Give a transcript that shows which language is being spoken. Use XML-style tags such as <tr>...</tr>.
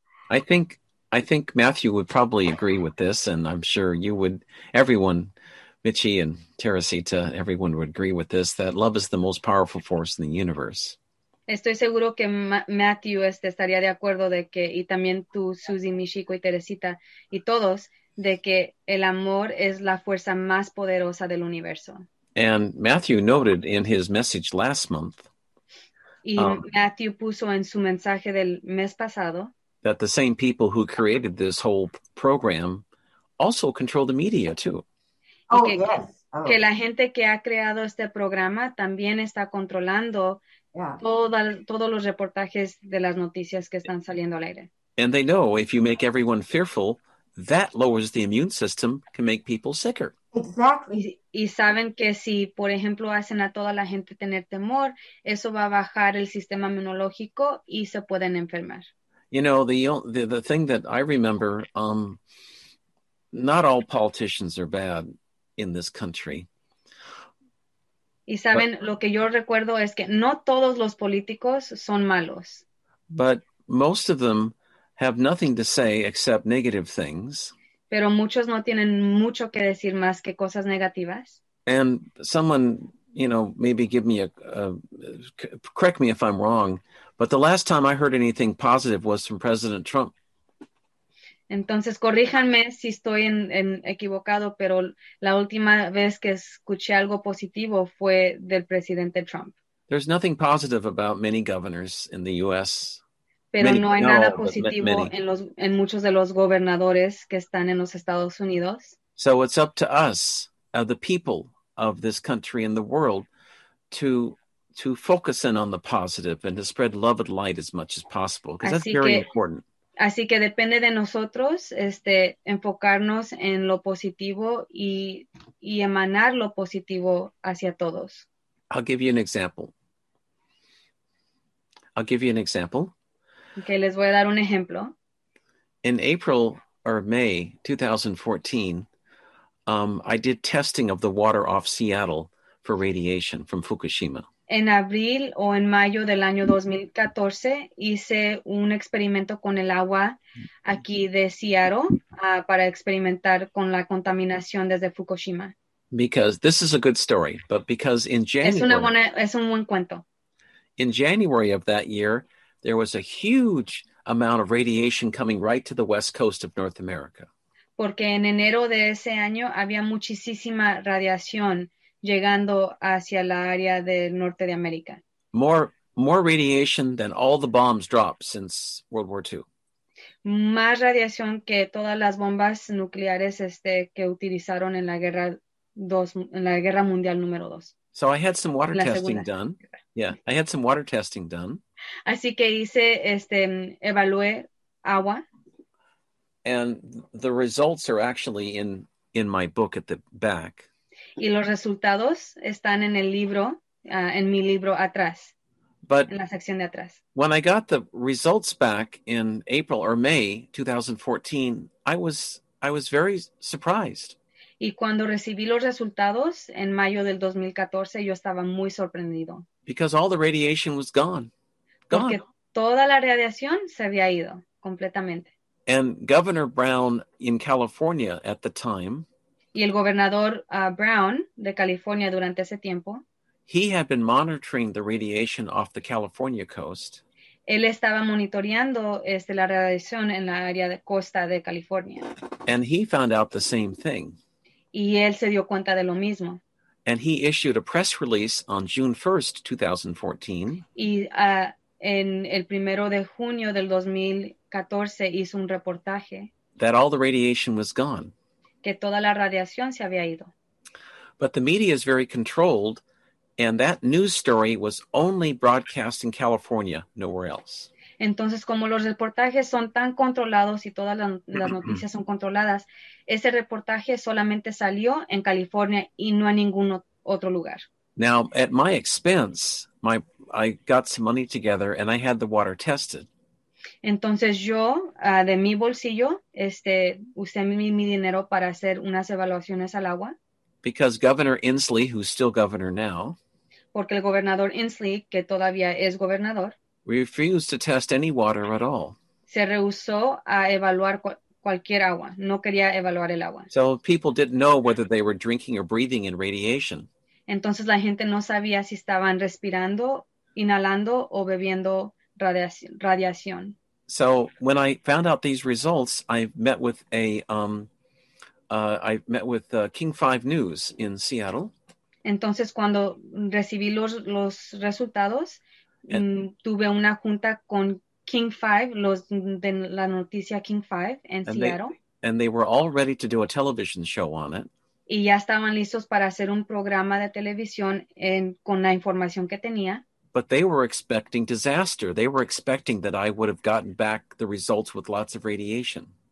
<en>I think Matthew would probably agree with this, and I'm sure you would, everyone, Michi and Teresita, everyone would agree with this, that love is the most powerful force in the universe.</en> <es>Estoy seguro que Matthew estaría de acuerdo de que, y también tú, Susie, Michiko y Teresita, y todos, de que el amor es la fuerza más poderosa del universo.</es> <en>And Matthew noted in his message last month.</en> <es>Y Matthew puso en su mensaje del mes pasado.</es> <en>That the same people who created this whole program also control the media too. Oh, que, yes. Oh.</en> <es>Que la gente que ha creado este programa también está controlando todos los reportajes de las noticias que están saliendo al aire.</es> <en>And they know if you make everyone fearful, that lowers the immune system, can make people sicker. Exactly.</en> <es>Y saben que si, por ejemplo, hacen a toda la gente tener temor, eso va a bajar el sistema inmunológico y se pueden enfermar.</es> <en>You know, the thing that I remember, not all politicians are bad in this country.</en> <es>Y saben,</es> <en>but,</en> <es>lo que yo recuerdo es que no todos los políticos son malos.</es> <en>But most of them have nothing to say except negative things.</en> <es>Pero muchos no tienen mucho que decir más que cosas negativas.</es> <en>And someone, you know, maybe give me correct me if I'm wrong, but the last time I heard anything positive was from President Trump.</en> <es>Entonces, corríjanme si estoy en equivocado, pero la última vez que escuché algo positivo fue del presidente Trump.</es> <en>There's nothing positive about many governors in the U.S.</en> <es>Pero</es> <en>many,</en> <es>no hay nada positivo en muchos de los gobernadores que están en los Estados Unidos.</es> <en>So it's up to us, the people of this country and the world, to focus in on the positive and to spread love and light as much as possible, because that's very important.</en> <es>Así que depende de nosotros enfocarnos en lo positivo y emanar lo positivo hacia todos.</es> <en>I'll give you an example. I'll give you an example.</en> <es>Okay, les voy a dar un ejemplo.</es> <en>In April or May 2014, I did testing of the water off Seattle for radiation from Fukushima.</en> <es>En abril o en mayo del año 2014, hice un experimento con el agua aquí de Seattle para experimentar con la contaminación desde Fukushima.</es> <en>Because this is a good story, but because in January...</en> <es>Es un buen cuento.</es> <en>In January of that year, there was a huge amount of radiation coming right to the west coast of North America.</en> <es>Porque en enero de ese año había muchísima radiación llegando hacia la área del norte de América.</es> <en>More radiation than all the bombs dropped since World War II.</en> <es>Más radiación que todas las bombas nucleares que utilizaron en la guerra dos, en la guerra mundial número dos.</es> <en>So I had some water testing done. Yeah, I had some water testing done.</en> <es>Así que hice evalué agua.</es> <en>And the results are actually in my book at the back.</en> <es>Y los resultados están en el libro, en mi libro atrás,</es> <en>but</en> <es>en la sección de atrás.</es> <en>When I got the results back in April or May 2014, I was very surprised.</en> <es>Y cuando recibí los resultados en mayo del 2014, yo estaba muy sorprendido.</es> <en>Because all the radiation was gone.</en> <es>Porque toda la radiación se había ido completamente.</es> <en>And Governor Brown in California at the time.</en> <es>Y el gobernador Brown de California durante ese tiempo.</es> <en>He had been monitoring the radiation off the California coast.</en> <es>Él estaba monitoreando la radiación en la área de costa de California.</es> <en>And he found out the same thing.</en> <es>Y él se dio cuenta de lo mismo.</es> <en>And he issued a press release on June 1st, 2014.</en> <es>Y en el primero de junio del 2014 hizo un reportaje.</es> <en>That all the radiation was gone.</en> <es>Que toda la radiación se había ido.</es> <en>But the media is very controlled, and that news story was only broadcast in California, nowhere else.</en> <es>Entonces, como los reportajes son tan controlados y todas las noticias son controladas, ese reportaje solamente salió en California y no en ningún otro lugar.</es> <en>Now, at my expense, I got some money together and I had the water tested.</en> <es>Entonces yo, de mi bolsillo, usé mi dinero para hacer unas evaluaciones al agua.</es> <en>Because Governor Inslee, who's still governor now.</en> <es>Porque el gobernador Inslee, que todavía es gobernador.</es> <en>Refused to test any water at all.</en> <es>Se rehusó a evaluar cualquier agua. No quería evaluar el agua.</es> <en>So people didn't know whether they were drinking or breathing in radiation.</en> <es>Entonces la gente no sabía si estaban respirando, inhalando o bebiendo radiación.</es> <en>So when I found out these results, I met with a I met with King 5 News in Seattle.</en> <es>Entonces, cuando recibí los resultados, tuve una junta con King 5, los de la noticia King 5 en Seattle.</es> <en>And they were all ready to do a television show on it.</en> <es>Y ya estaban listos para hacer un programa de televisión con la información que tenía.</es> <en>But they were expecting disaster. They were expecting that I would have gotten back the results with lots of radiation.</en>